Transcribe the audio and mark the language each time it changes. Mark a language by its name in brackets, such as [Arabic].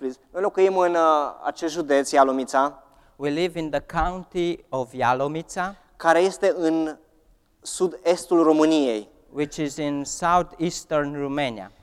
[Romanian] Noi locuim în acest județ Ialomița. [English] We live in the county of Ialomița, [Romanian] care este în sud-estul României, [English] which is in southeastern Romania.